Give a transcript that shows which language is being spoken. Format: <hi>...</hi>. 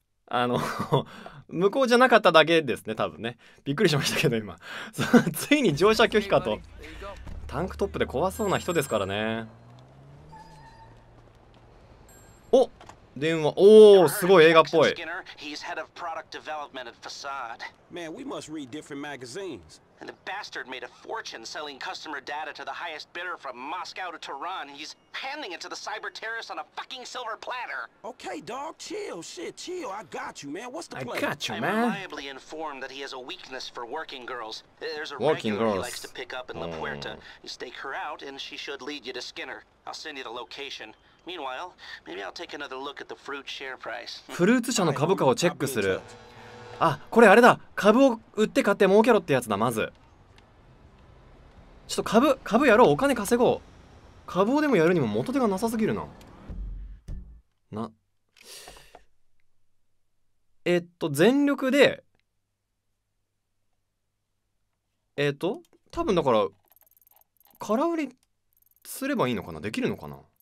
<ja>向こうじゃなかっただけですね多分ね。びっくりしましたけど今。ついに乗車拒否かと。タンクトップで怖そうな人ですからね。お、電話。おお、すごい映画っぽい。</ja> <en>He's head of product development at Facade. Man, we must read different magazines. And the bastard made a fortune selling customer data to the highest bidder from Moscow to Tehran. He's handing it to the cyber terrorists on a fucking silver platter. Okay, dog, chill. Shit, chill. I got you, man. What's the plan? I got you, man. I'm reliably informed that he has a weakness for working girls. There's a regular he likes to pick up in La Puerta. You stake her out, and she should lead you to Skinner. I'll send you the location.</en> <ja>フルーツ社の株価をチェックする。あ、これあれだ、株を売って買って儲けろってやつだ。まずちょっと株やろう、お金稼ごう。株をでもやるにも元手がなさすぎるな。な、全力で、多分だから空売りすればいいのかな、できるのかな。</ja>